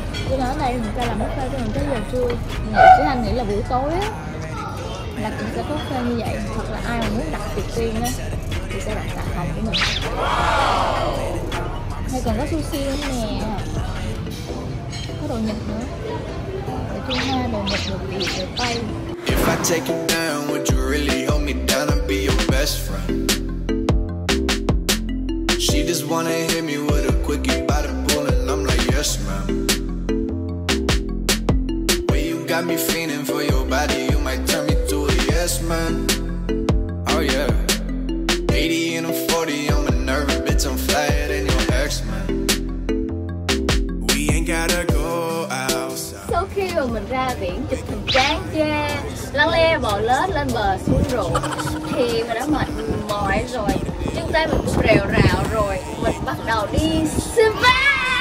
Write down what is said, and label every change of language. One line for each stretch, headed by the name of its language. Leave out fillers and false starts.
Vietnamese: Cho nên ở đây mình sẽ làm buffet cho mình tới giờ trưa. Chứ anh nghĩ là buổi tối á là cũng sẽ có buffet như vậy. Hoặc là ai mà muốn đặt tiệc riêng á thì sẽ đặt tại phòng của mình. Hay còn có sushi nữa nè. Có đồ Nhật nữa. Đồ Trung Hoa, đồ Nhật, đồ Việt, đồ Tây.
English: If I take you down, would you really hold me down and be your best friend? She just wanna hit me with a quickie by the pool and I'm like, yes, ma'am. When you got me feeling for your body, you might turn me to a yes, man. Oh, yeah. 80 and a 40, I'm a nervous bitch, I'm flyer than your ex, man. We ain't gotta go outside.
Vietnamese: Sau khi mà mình ra biển, chụp hình tráng tre, lăng le bò lết lên bờ xuống ruộng, thì mình đã mệt mỏi rồi. Chân tay mình cũng rèo rào rồi, mình bắt đầu đi spa.